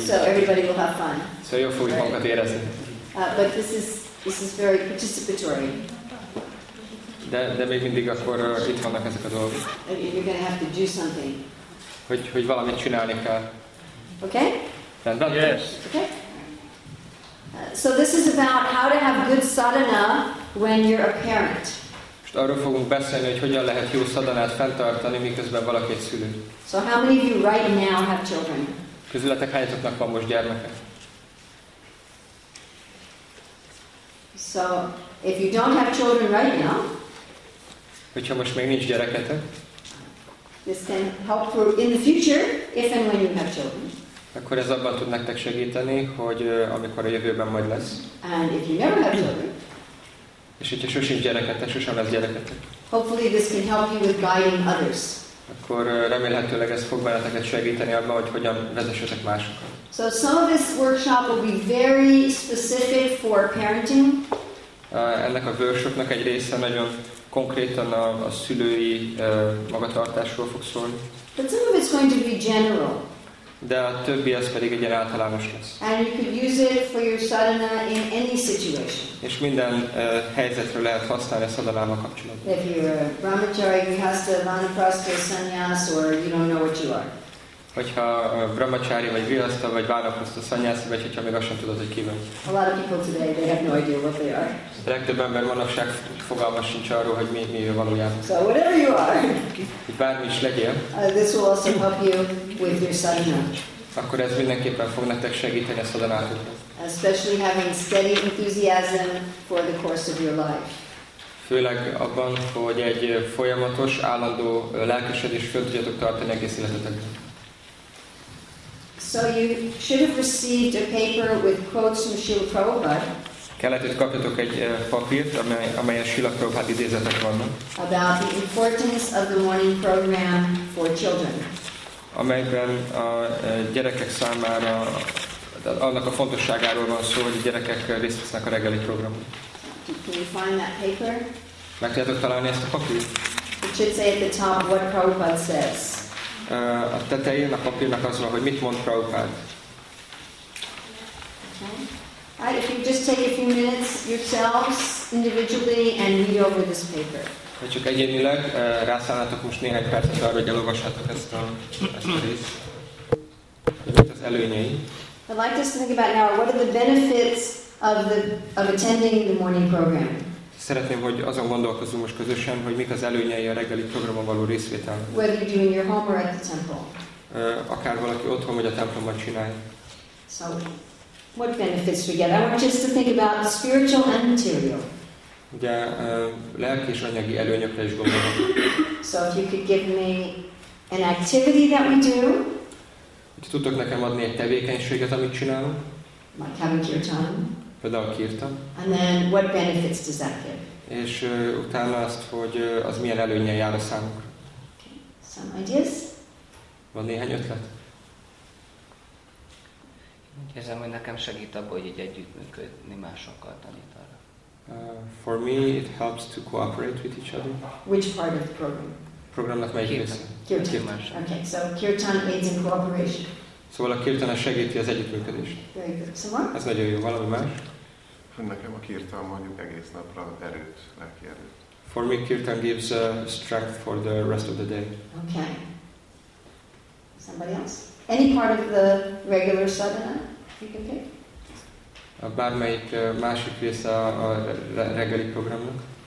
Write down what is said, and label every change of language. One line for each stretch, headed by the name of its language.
English: So everybody will have fun.
Hungarian: So jól fogjuk magunkat érezni.
English: But this is very participatory.
Hungarian: De még mindig akkor itt vannak ezek a dolgok.
English: You're going to have to do something.
Hungarian: Hogy valamit csinálni kell.
English: Okay? Yes. Okay. So this is about how to have good sadhana when you're a parent.
Hungarian: Most arról fogunk beszélni, hogy hogyan lehet jó sadhanát fenntartani, miközben valaki egy szülő.
English: So how many of you right now have children?
Hungarian: Közületek hányatoknak van most gyermeke?
English: So if you don't have children right now,
Hungarian: hogyha most még nincs gyereketek,
English: this can help for in the future if and when you have children.
Hungarian: Akkor ez abban tud nektek segíteni, hogy amikor a jövőben majd lesz.
English: And if you never have children,
Hungarian: és hogyha sosincs gyereketek, sosem lesz gyereketek.
English: Hopefully this can help you with guiding others.
Hungarian: Akkor remélhetőleg ez fog benneteket segíteni abban, hogy hogyan vezessetek másokat.
English: So some of this workshop will be very specific for parenting.
Hungarian: Ennek a workshopnak egy része nagyon konkrétan a szülői magatartásról fog szólni.
English: But some of it's going to be general.
Hungarian: De a többi az pedig egy ilyen általános lesz.
English: And you can use it for your sadhana in any situation.
Hungarian: És minden helyzetről lehet használni a sadhanába kapcsolatban.
English: If you're a brahmachari, grihastha, vanaprastha, sannyas, or you don't know what you are.
Hungarian: Hogyha brahmachari vagy grihastha vagy vanaprastha, sannyas vagy, hogyha még azt sem tudod, hogy ki vagy.
English: A lot of people today, they have no idea what they are.
Hungarian: Legtöbb ember manapság fogalma sincs arról, hogy mi ő valójában.
English: So whatever you are.
Hungarian: Hogy bármi is legyél.
English: This will also help you with your sadhana.
Hungarian: Akkor ez mindenképpen fog nektek segíteni a sadhanátokat.
English: Especially having steady enthusiasm for the course of your life.
Hungarian: Főleg abban, hogy egy folyamatos, állandó lelkesedés föl tudjatok tartani egész életetekben.
English: So you should have received a paper with quotes from Srila Prabhupada.
Hungarian: Kellett, hogy kapjatok egy papírt, amelyen Srila Prabhupada idézetek vannak.
English: About the importance of the morning program for children.
Hungarian: Amelyben a gyerekek számára annak a fontosságáról van szó, hogy a gyerekek részt vesznek a reggeli programon.
English: Can you find that paper?
Hungarian: Meg tudjátok találni ezt a papírt?
English: It should say at the top what Prabhupada says.
Hungarian: A tetején a papírnak az van, hogy mit mond Prabhupada.
English: Okay. Right, if you just take a few minutes yourselves individually and read over this paper. Ha csak egyénileg rászállnátok most néhány percet arra, hogy elolvassátok ezt a részt.
Hungarian: Mit az előnyei?
English: I'd like us to think about now what are the benefits of attending the morning program.
Hungarian: Szeretném, hogy azon gondolkozzunk most közösen, hogy mik az előnyei a reggeli programon való részvétel.
English: Whether you're doing your home or at the temple.
Hungarian: Akár valaki otthon vagy a templomban csinálja.
English: So, what benefits we get? I want us to think about spiritual and material.
Hungarian: Ugye, lelki és anyagi előnyökre is gondolok.
English: So if you could give me an activity that we do.
Hungarian: Hogy tudtok nekem adni egy tevékenységet, amit csinálunk.
English: Like having your time.
Hungarian: Például kirtam.
English: And then what benefits does that give?
Hungarian: És utána azt, hogy az milyen előnnyel jár a számunkra.
English: Okay. Some ideas?
Hungarian: Van néhány ötlet? Úgy érzem, hogy nekem segít abba, hogy így együttműködni másokkal tanít arra.
English: For me, it helps to cooperate with each other. Which part of the program?
Hungarian: Programnak melyik része?
English: Kirtan. Okay, so kirtan aids in cooperation.
Hungarian: Szóval a kirtana segíti az együttműködést. Ez nagyon jó. Valami más? Nekem a kirtan mondjuk egész napra erőt, lelki erőt.
English: For me, kirtan gives strength for the rest of the day. Okay. Somebody else? Any part of the regular sadhana you can pick?
Hungarian: Bármelyik másik része a reggeli programnak.